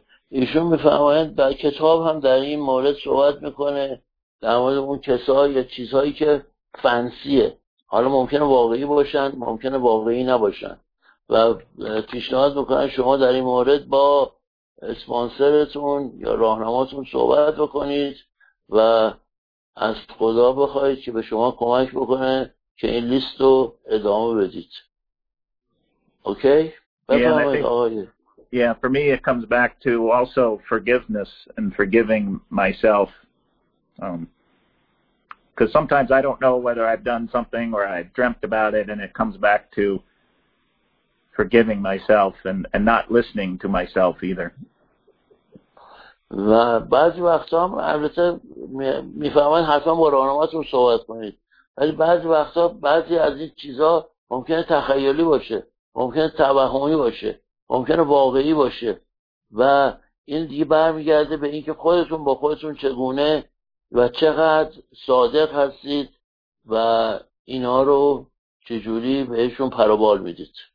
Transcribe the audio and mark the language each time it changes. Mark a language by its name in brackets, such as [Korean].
[Persian] ایشون میفهمند در کتاب هم در این مورد صحبت میکنه، در مورد اون کسایی یا چیزهایی که فنسیه، حالا ممکنه واقعی باشن ممکنه واقعی نباشن، و پیشنهاد میکنن شما در این مورد با اسپانسرتون یا راهنماتون صحبت بکنید و از خدا بخواید که به شما کمک بکنه که این لیست رو ادامه بدید. [English] Okay? Yeah, and I think, yeah, for me it comes back to also forgiveness and forgiving myself. Because sometimes I don't know whether I've done something or I've dreamt about it, and it comes back to forgiving myself and not listening to myself either. [Persian] و بعضی وقتا هم البته میفهمن حتما با راهنماتون صحبت کنید، ولی بعضی وقتا بعضی از این چیزا ممکنه تخیلی باشه، ممکنه توهمی باشه، ممکنه واقعی باشه، و این دیگه برمیگرده به اینکه خودتون با خودتون چگونه و چقدر صادق هستید و اینا رو چجوری بهشون پروبال میدید.